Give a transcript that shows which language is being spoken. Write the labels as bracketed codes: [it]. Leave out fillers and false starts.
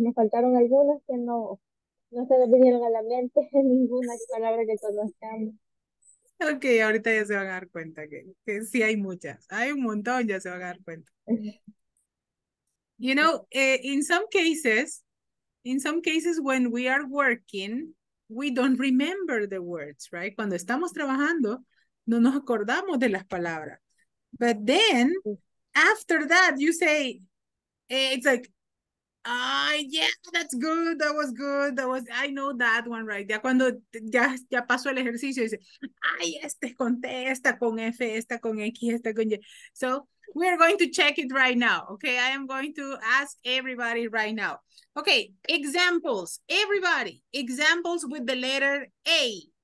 [es] Me faltaron algunas que no se me vinieron a la mente. Ninguna palabra que conozcamos. Ok, ahorita ya se van a dar cuenta que sí hay muchas. Hay un montón, ya se van a dar cuenta. [en] You know, in some cases when we are working, we don't remember the words, right? [es] Cuando estamos trabajando, no nos acordamos de las palabras. [en] But then, after that, you say, it's like, ah, yeah, that's good, that was good, I know that one, right? [es] Ya cuando ya paso el ejercicio, dice, ay, este conté, esta con F, esta con X, esta con Y. [en] So, we are going to check it right now, okay? I am going to ask everybody right now. Okay, examples, everybody, examples with the letter A.